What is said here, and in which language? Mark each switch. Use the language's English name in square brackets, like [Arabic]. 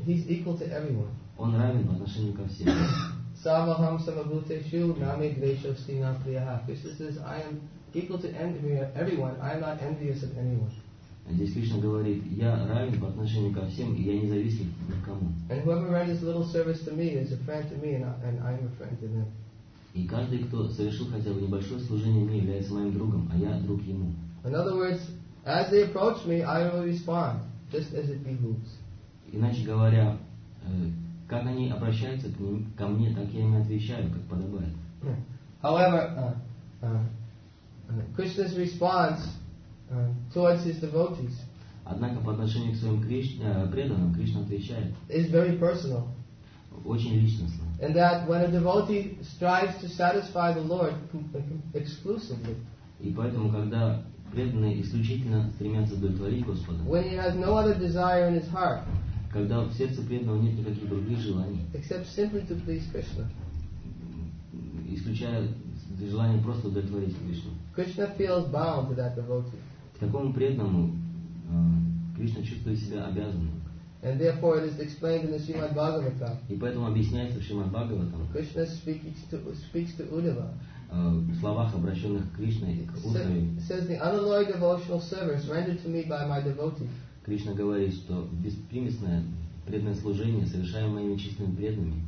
[English] He's equal to everyone. [Russian] Он равен по отношению ко всем. [Sanskrit] Savaham samabhuteshu nami dveshasti na priyaha. [English] Krishna says, I am equal to everyone. I am not envious of anyone. [Russian] Здесь Кришна говорит, я равен по отношению ко всем, и я независим ни к кому. [English] And whoever renders little service to me is a friend to me, and I am a friend to them. [Russian] И каждый, кто совершил хотя бы небольшое служение мне, является моим другом, а я друг ему. [English] In other words, as they approach me, I will respond, just as it behooves. [Russian] Иначе говоря, как они обращаются к ним, ко мне, так я им отвечаю, как подобает. [English] However, Krishna's response towards his devotees. [Russian] Однако по отношению к своим преданным Кришна отвечает. [English] Is very personal. [Russian] Очень личностно. [English] And that when a devotee strives to satisfy the Lord exclusively. [Russian] И поэтому, когда преданные исключительно стремятся удовлетворить Господа. [English] When he has no other desire in his heart. [Russian] Когда в сердце преданного нет никаких других желаний. [English] Except simply to please Krishna. [Russian] Исключая желание просто удовлетворить Кришну. [English] Krishna feels bound to that devotee. [Russian] Такому преданному Кришна чувствует себя обязанным. [English] And therefore it is explained in the Srimad Bhagavatam. [Russian] И поэтому объясняется в Шримад Бхагаватам. [English] Krishna speaks to Uddhava. [Russian] В словах, обращенных к Кришне, к Удаве. [English] Says the unalloyed devotional service rendered to me by my devotee. [Russian] Кришна говорит, что беспримесное преданное служение, совершаемое моими чистыми преданными,